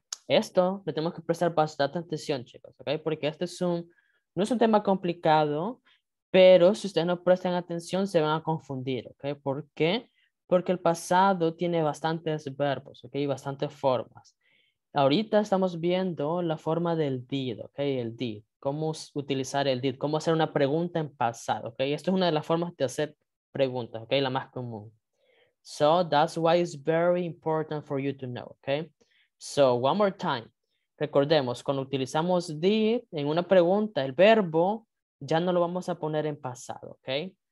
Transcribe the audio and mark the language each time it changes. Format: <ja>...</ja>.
<es>Esto le tenemos que prestar bastante atención, chicos, ¿ok? Porque este es un, no es un tema complicado, pero si ustedes no prestan atención se van a confundir, ¿ok? ¿Por qué? Porque el pasado tiene bastantes verbos, ¿ok? Y bastantes formas. Ahorita estamos viendo la forma del did, ¿ok? El did. Cómo utilizar el did, cómo hacer una pregunta en pasado, ¿ok? Esto es una de las formas de hacer preguntas, ¿ok? La más común.</es> <en>So, that's why it's very important for you to know, ¿ok? So, one more time.</en> <es>Recordemos, cuando utilizamos did en una pregunta, el verbo ya no lo vamos a poner en pasado, ¿ok?</es>